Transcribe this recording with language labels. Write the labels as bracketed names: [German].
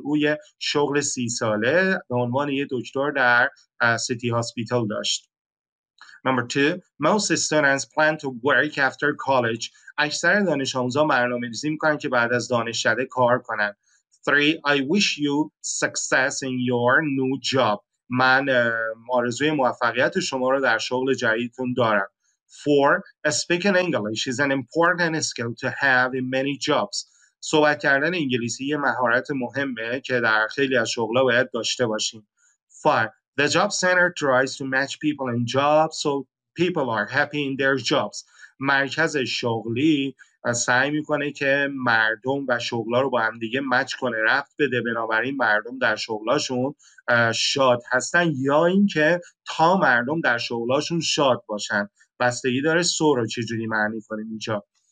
[Persian] او یه شغل 30 ساله به عنوان یه دکتر در City Hospital داشت. [English] Number two, most students plan to work after college. [Persian] اکثر دانش آموزان برنامه ریزی میکنن که بعد از دانشکده کار کنن. [English] Three, I wish you success in your new job. [Persian] من آرزوی موفقیت شما رو در شغل جدیدتون دارم. [English] Four, speaking English is an important skill to have in many jobs. [Persian] صحبت کردن انگلیسی یه مهارت مهمه که در خیلی از شغلا باید داشته باشیم. [English] Five, the job center tries to match people in jobs so people are happy in their jobs. [Persian] مرکز شغلی سعی میکنه که مردم و شغلا رو با هم دیگه مچ کنه، رفت بده، بنابراین مردم در شغلاشون شاد هستن یا اینکه تا مردم در شغلاشون شاد باشن. بستگی داره سو رو چجوری معنی کنیم اینجا.